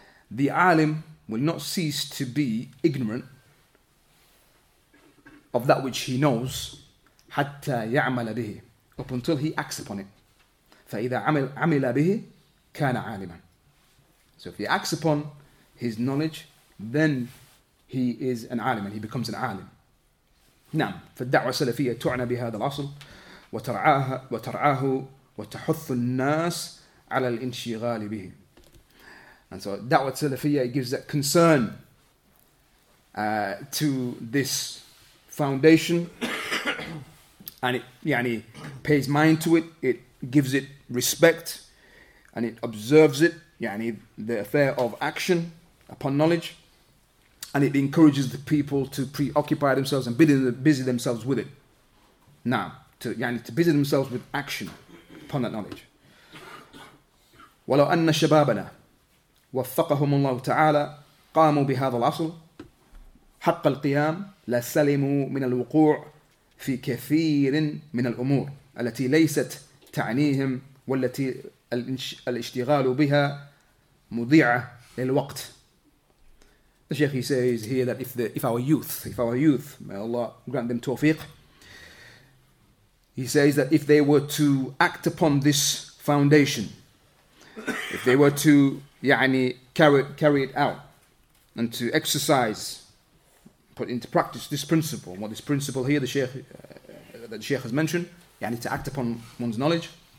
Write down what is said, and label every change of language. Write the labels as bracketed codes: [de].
[en] The alim will not cease to be ignorant of that which he knows, [ar] حتى يعمل به, [en] up until he acts upon it. [ar] فإذا عمل به كان عالما. [en] So if he acts upon his knowledge, then he is an alim and he becomes an alim. [ar] نعم. فالدعوة السلفية تعنى بهذا الأصل وترعاه وتحث الناس على الانشغال به. [en] And so دعوة السلفية gives that concern to this foundation, and it pays mind to it, it gives it respect, and it observes it, the affair of action upon knowledge, and it encourages the people to preoccupy themselves and busy themselves with it. Now, to busy themselves with action upon that knowledge. [ar] وَلَوْ أَنَّ شَبَابَنَا وَفَّقَهُمُ اللَّهُ تَعَالَى قَامُوا بِهَذَا الْأَصْلِ حق القيام لسلموا من الوقوع في كثير من الأمور التي ليست تعنيهم والتي الاشتغال بها مضيعة للوقت. [en] The Sheikh, he says here that if our youth, may Allah grant them tawfiq, he says that if they were to act upon this foundation, if they were to carry it out and to exercise, put into practice this principle, what this principle here, the Sheikh has mentioned, to act upon one's knowledge.